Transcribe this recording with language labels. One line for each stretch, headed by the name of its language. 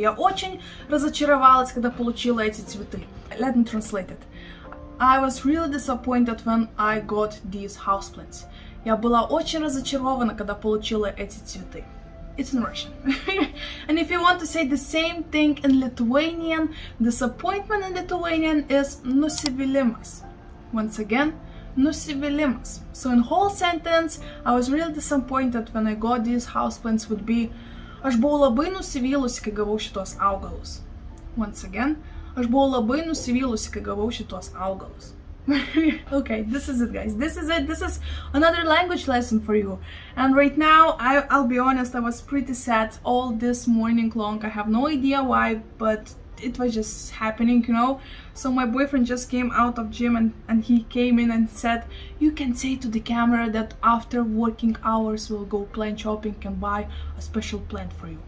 Russian: Я очень разочаровалась, когда получила эти цветы.
English: Let me translate it. I was really disappointed when I got these houseplants.
Russian: Я была очень разочарована, когда получила эти цветы.
English: It's in Russian. And if you want to say the same thing in Lithuanian, disappointment in Lithuanian is nusivylimas. Once again, nusivylimas. So in whole sentence, I was really disappointed when I got these houseplants would be
Lithuanian: Aš buvau labai nusivylusi, kai gavau šitos augalus.
English: Once again,
Lithuanian: Aš buvau labai nusivylusi, kai gavau šitos augalus.
English: Okay, this is it, guys. This is it. This is another language lesson for you. And right now, I'll be honest, I was pretty sad all this morning long. I have no idea why, but it was just happening, you know? So my boyfriend just came out of gym and he came in and said, you can say to the camera that after working hours, we'll go plant shopping and buy a special plant for you.